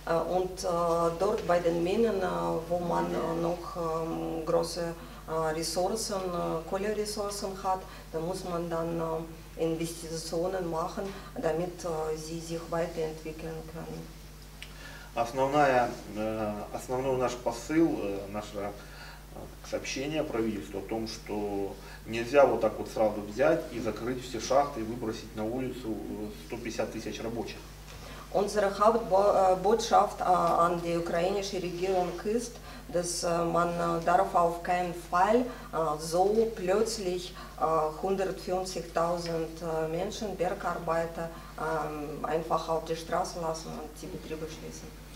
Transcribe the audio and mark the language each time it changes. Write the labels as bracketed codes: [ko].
[de] Und dort bei den Minen, wo man noch große Ressourcen, Kohleressourcen hat, da muss man dann Investitionen machen, damit sie sich weiterentwickeln können. [ru] Основной наш посыл, наша сообщение правительству о том, что нельзя вот так вот сразу взять и закрыть все шахты и выбросить на улицу 150 тысяч рабочих. [de] Unsere Hauptbotschaft an die ukrainische Regierung ist, dass man darf auf keinen Fall so plötzlich 140.000 Menschen, Bergarbeiter, einfach auf die Straße lassen und die Betriebe schließen.